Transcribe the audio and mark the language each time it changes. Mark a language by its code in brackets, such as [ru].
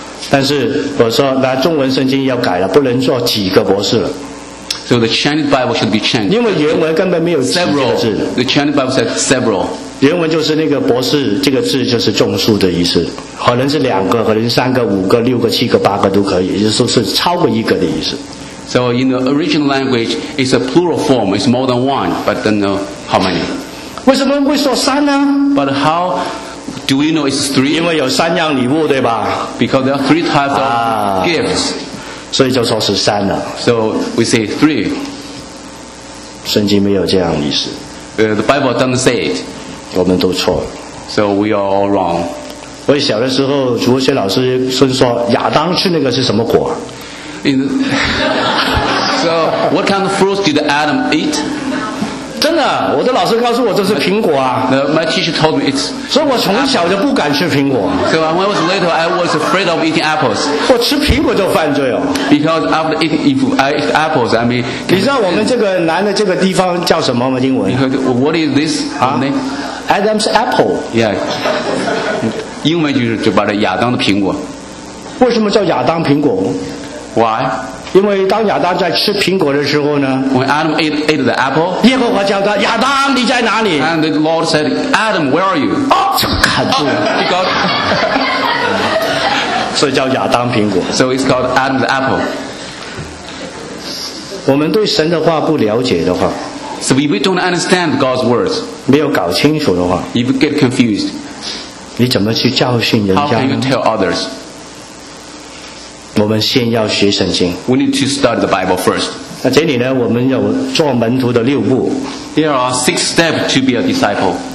[zh] 但是我说，那中文圣经要改了，不能做几个博士了。 [en] So the Chinese Bible should be changed. [zh] 因为原文根本没有几个字。 [en] The Chinese Bible says several. [zh] 原文就是那个博士，这个字就是众数的意思，可能是两个，可能是三个，五个，六个，七个，八个都可以，也就是说是超过一个的意思。 [en] So in the original language, it's a plural form. It's more than one, but don't know how many. [zh] 为什么会说三呢？ [en] But how do we know it's three? [zh] 因为有三样礼物，对吧？ [en] Because there are three types of gifts. [zh] 所以就说是三了。 [en] So we say three. [zh] 圣经没有这样意思。 [en] The Bible doesn't say it. [zh] 我们都错了。 [en] So we are all wrong. [zh] 我小的时候，主学老师说亚当吃那个是什么果 [en] ？So what kind of fruits did Adam eat? [zh] 真的，我的老师告诉我这是苹果啊。 [en] My teacher told me it's. [zh] 所以我从小就不敢吃苹果。 [en] So when I was little, I was afraid of eating apples. [zh] 我吃苹果就犯罪哦。 [en] Because after eating apples, I mean. [zh] 你知道我们这个南的这个地方叫什么吗？英文 [en] ？What is this name? Adam's apple. Yeah. [zh] 英文就把这亚当的苹果。为什么叫亚当苹果 [en] ？Why? [zh] 因为当亚当在吃苹果的时候呢 [en] ，When Adam ate the apple， [zh] 耶和华叫他亚当，你在哪里 [en] ？And the Lord said, Adam, where are you？ [zh] 哦，就砍住了。 Oh, 所以叫亚当苹果。 [en] So it's called Adam's apple。 [zh] 我们对神的话不了解的话 [en] ，So if we don't understand God's words， [zh] 没有搞清楚的话 [en] ，If we get confused， [zh] 你怎么去教训人家？ [en] How can you tell others? [zh] 我们先要学圣经。 [en] We need to study the Bible first. [zh] 那这里呢，我们有做门徒的六步。 [en] There are six steps to be a disciple.